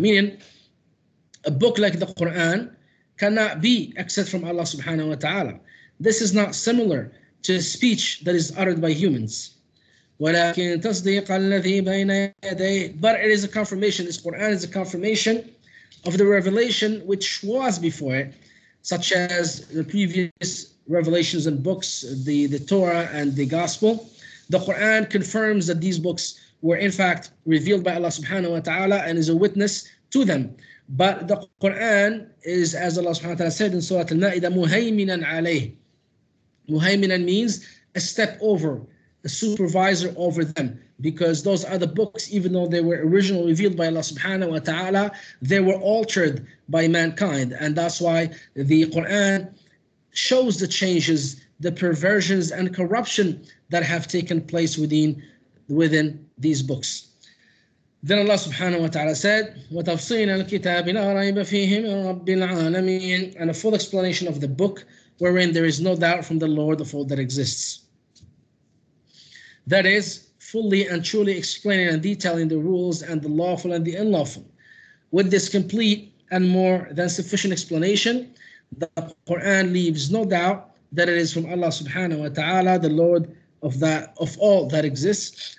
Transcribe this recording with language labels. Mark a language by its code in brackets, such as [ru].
[en] Meaning, a book like the Quran cannot be except from Allah subhanahu wa ta'ala. this is not similar to speech that is uttered by humans. [ar] ولكن تصديق الذي بين يديه. [en] But it is a confirmation. This Quran is a confirmation of the revelation which was before it, such as the previous revelations and books, the Torah and the Gospel. The Quran confirms that these books were in fact revealed by Allah subhanahu wa ta'ala and is a witness to them. But the Quran is, as Allah subhanahu wa ta'ala said in Surah Al-Ma'idah, muhaiminan alayhi. Muhaiminan means a step over, a supervisor over them, because those other books, even though they were originally revealed by Allah subhanahu wa ta'ala, they were altered by mankind. And that's why the Quran shows the changes, the perversions and corruption that have taken place within these books. Then Allah subhanahu wa ta'ala said, [ar] وَتَفْصِيلَ الْكِتَابِ لَا رَيْبَ فِيهِ مِنْ رَبِّ الْعَالَمِينَ. [en] And a full explanation of the book, wherein there is no doubt from the Lord of all that exists. That is, fully and truly explaining and detailing the rules and the lawful and the unlawful. With this complete and more than sufficient explanation, the Quran leaves no doubt that it is from Allah subhanahu wa ta'ala, the Lord of all that exists.